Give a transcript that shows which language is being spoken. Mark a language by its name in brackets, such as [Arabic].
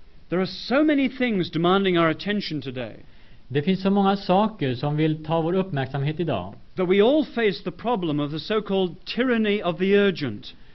[English] There are so many things demanding our attention today. [Swedish] Det finns så många saker som vill ta vår uppmärksamhet idag. [English] That we all face the problem of the so-called tyranny of the urgent.